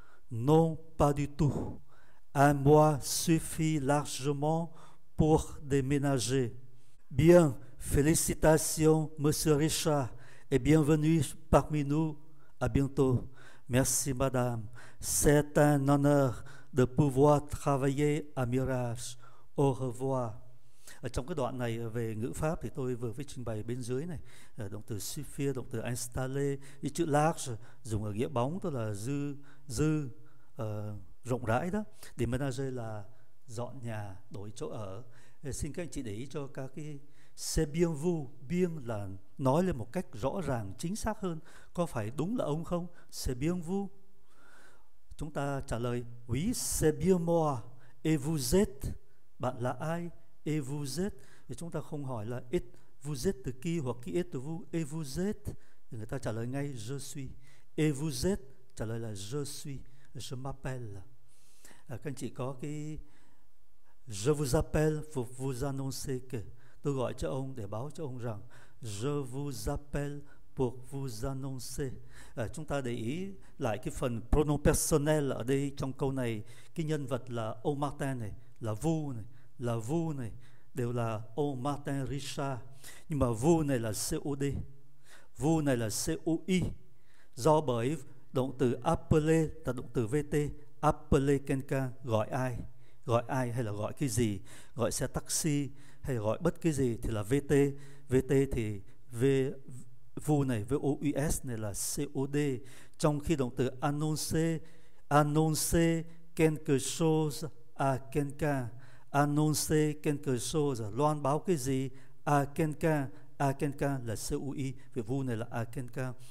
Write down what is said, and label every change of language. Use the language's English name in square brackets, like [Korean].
[French] Non, pas du tout. Un mois suffit largement pour déménager. Bien, félicitations, Monsieur Richard, et bienvenue parmi nous. À bientôt. Merci madame, c'est un honneur de pouvoir travailler à Mirage. Au revoir. [Vietnamese] Ở trong cái đoạn này về ngữ pháp thì tôi vừa mới trình bày bên dưới này, động từ suffire, động từ installer, cái chữ large dùng ở nghĩa bóng tức là dư rộng rãi đó, déménager là dọn nhà, đổi chỗ ở. Xin các anh chị để ý cho các cái [French] c'est bien vous, [Vietnamese] bien là nói lên một cách rõ ràng, chính xác hơn, có phải đúng là ông không? [French] C'est bien vous. [Vietnamese] Chúng ta trả lời [French] oui, c'est bien moi. Et vous êtes? [Vietnamese] Bạn là ai? [French] Et vous êtes? [Vietnamese] Thì chúng ta không hỏi là [French] et vous êtes de qui hoặc qui êtes vous. Et vous êtes? [Vietnamese] Thì người ta trả lời ngay [French] je suis. Et vous êtes? [Vietnamese] Trả lời là [French] je suis. Je m'appelle. [Vietnamese] Các anh chị có cái [French] je vous appelle pour vous annoncer que, [Vietnamese] tôi gọi cho ông để báo cho ông rằng. [French] Je vous appelle pour vous annoncer. [Vietnamese] Chúng ta để ý lại cái phần pronom personnel ở đây trong câu này. Cái nhân vật là ông Martin này, là vous này, là vous này, đều là ông Martin Richard. Nhưng mà vous này là COD, vous này là COI. Do bởi động từ appeler là động từ VT. [French] Appeler quelqu'un, [Vietnamese] gọi ai, gọi ai hay là gọi cái gì, gọi xe taxi hay gọi bất cái gì thì là VT. VT thì V vu này, VOUS này là COD. Trong khi động từ annoncer, [French] annoncer quelque chose à quelqu'un, [Vietnamese] annoncer quelque chose, loan báo cái gì [French] à quelqu'un, [Vietnamese] à quelqu'un là COI, vì vu này là à quelqu'un.